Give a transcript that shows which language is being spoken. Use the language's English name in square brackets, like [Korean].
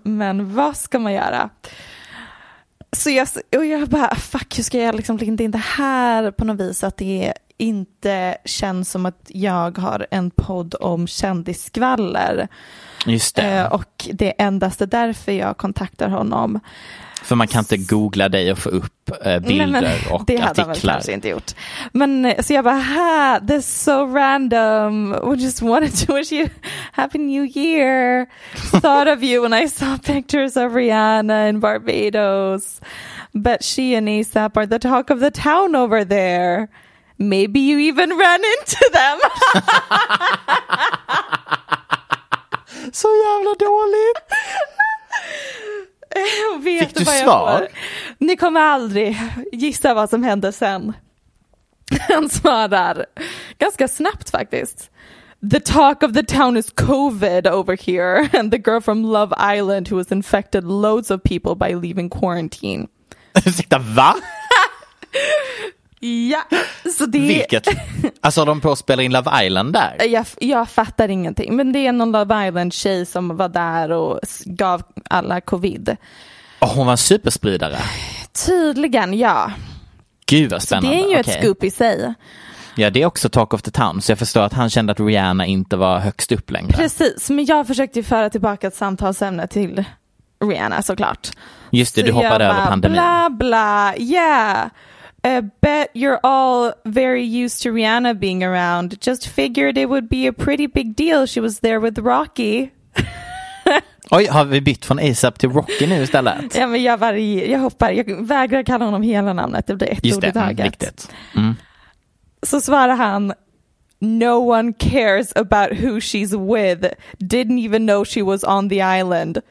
[Swedish] Men vad ska man göra? Så jag bara, fuck, hur ska jag liksom linda in det här på något vis att det är inte känns som att jag har en podd om kändisskvaller. Just det. Och det är endast därför jag kontaktar honom. För man kan inte googla dig och få upp bilder. Nej, men, och det artiklar. Det hade han kanske inte gjort. Men så jag bara, [English] this is so random. We just wanted to wish you happy new year. Thought of you when I saw pictures of Rihanna in Barbados. But she and A$AP are the talk of the town over there. Maybe you even ran into them. [Swedish] Så jävla dåligt. Vet fick du vad svar? Jag ni kommer aldrig gissa vad som hände sen. Han svarar ganska snabbt faktiskt. [English] The talk of the town is COVID over here. And the girl from Love Island who has infected loads of people by leaving quarantine. [Swedish] Ursäkta, va? Ja, så det... Vilket? Alltså har de på att spela in Love Island där? Jag fattar ingenting. Men det är någon Love Island-tjej som var där och gav alla covid. Och hon var superspridare. Tydligen, ja. Gud vad spännande. Så det är ju okay. ett scoop i sig. Ja, det är också [English] talk of the town. [Swedish] Så jag förstår att han kände att Rihanna inte var högst upp längre. Precis, men jag försökte ju föra tillbaka ett samtalsämne till Rihanna såklart. Just det, du hoppade över pandemin. [English] Bla bla, yeah. I bet you're all very used to Rihanna being around. Just figured it would be a pretty big deal. She was there with Rocky. [Swedish] Oj, har vi bytt från A$AP till Rocky nu istället? Ja, men jag hoppar. Jag vägrar kalla honom hela namnet. Det blir ett just ord det, i taget. Viktigt. Mm. Så svarar han, [English] no one cares about who she's with. Didn't even know she was on the island.